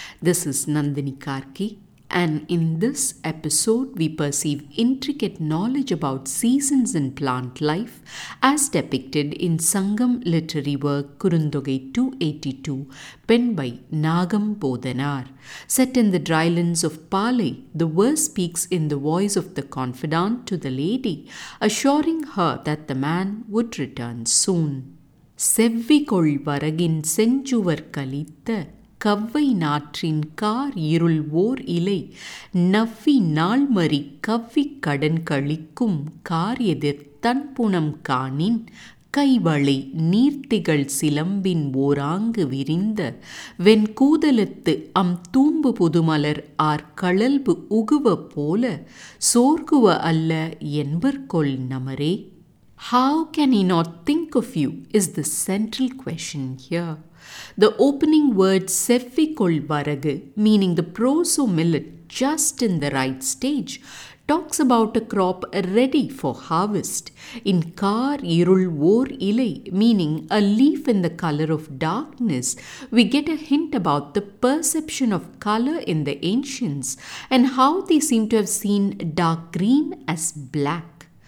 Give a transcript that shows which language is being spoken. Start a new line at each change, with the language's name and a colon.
English: This is Nandini Karki, and in this episode we perceive intricate knowledge about seasons and plant life as depicted in Sangam literary work Kurundogai 282, penned by Nagam Bodhanar. Set in the drylands of Palay, the verse speaks in the voice of the confidant to the lady, assuring her that the man would return soon.
Tamil: செவ்விகொள் வரகின் செஞ்சுவர் கழித்த கவ்வை நாற்றின் car இருள் ஓர் இலை நவ்வி நாள்மறி கவ்விக் கடன் கழிக்கும் car எதிர் தன்புணம் காணின் கைவளை நீர்த்திகள் சிலம்பின் ஓராங்கு விரிந்த வெண்கூதலத்து அம் தூம்பு புதுமலர் R களல்பு உகுவ போல சோர்குவ அல்ல என்பர்கொள் நமரே.
English: How can he not think of you is the central question here. The opening word Sevvikol Varagu, meaning the proso millet just in the right stage, talks about a crop ready for harvest. In Kar Irul Vor Ilai, meaning a leaf in the color of darkness, we get a hint about the perception of color in the ancients and how they seem to have seen dark green as black.